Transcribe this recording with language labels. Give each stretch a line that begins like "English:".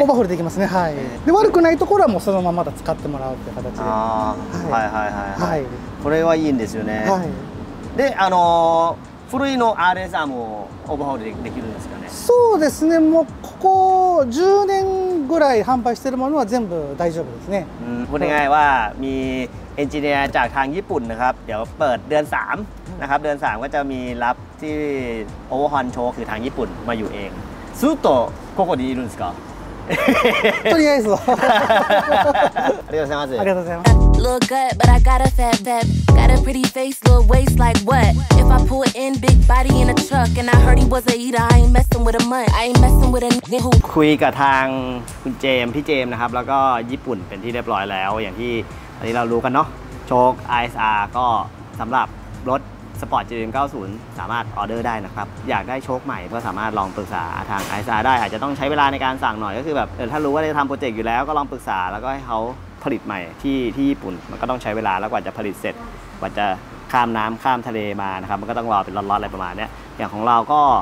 Japanese: オーバーホールできますね、はい、で悪くないところはもうそのまま使ってもらうっていう形で。あ、はいはいはいはい、これはいいんですよね、はい、で古いの RS もオーバーホールできるんですかね。そうですね、もうここ10年ぐらい販売してるものは全部大丈夫ですね。うん、お願いは、みエンジニア
Thai: จากทาง ญี่ปุ่นนะครับเดี๋ยวเปิดเดือน3นะครับเดือน3ก็จะมีรับที่โอเวอร์ฮอนโชคือทางญี่ปุ่นมาอยู่เองซูโตะ
Japanese: ここにいるんですか。とりあえず。ありがとうございます。ありがとうございます。
English: Look good, but I got a fat pep. Got a pretty face, little waist like what? If I pull in big body in a truck and I heard he was a eater, I ain't messing with a mutt. I ain't messing with a nigga who.
Thai: คุยกับทางคุณเจมพี่เจมนะครับแล้วก็ญี่ปุ่นเป็นที่เรียบร้อยแล้วอย่างที่อันนี้เรารู้กันเนาะโชค ISR ก็สำหรับรถสปอร์ต GM90 สามารถออเดอร์ได้นะครับอยากได้โชคใหม่ก็สามารถลองปรึกษาทาง ISR ได้อาจจะต้องใช้เวลาในการสั่งหน่อยก็คือแบบถ้ารู้ว่าจะทำโปรเจกต์อยู่แล้วก็ลองปรึกษาแล้วก็ให้เขาผลิตใหม่ที่ญี่ปุ่นมันก็ต้องใช้เวลาแล้วกว่าจะผลิตเสร็จกว่าจะข้ามน้ำข้ามทะเลมานะครับมันก็ต้องรอเป็นล็อตๆอะไรประมาณนี้อย่างของเราก็